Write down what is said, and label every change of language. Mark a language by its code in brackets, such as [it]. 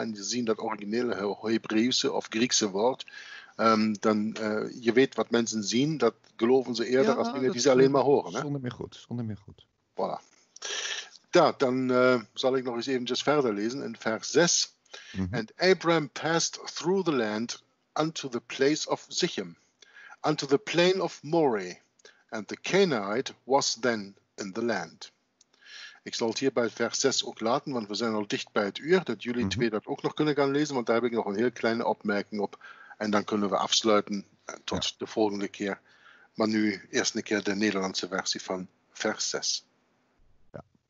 [nl] En je ziet dat originele Hebreeuwse of Griekse woord. Dan je weet wat mensen zien. Dat geloven ze eerder als dingen die ze alleen maar horen. Zonder meer goed. Voilà. Dan zal ik nog eens eventjes verder lezen in vers 6. Mm-hmm. [en] And Abraham passed through the land unto the place of Sichem, unto the plain of Moreh. And the Canaanite was then in the land. [nl] Ik zal het hier bij vers 6 ook laten, want we zijn al dicht bij het uur, dat jullie twee dat ook nog kunnen gaan lezen, want daar heb ik nog een heel kleine opmerking op. En dan kunnen we afsluiten tot de volgende keer. Maar nu eerst een keer de Nederlandse versie van vers 6. Ja.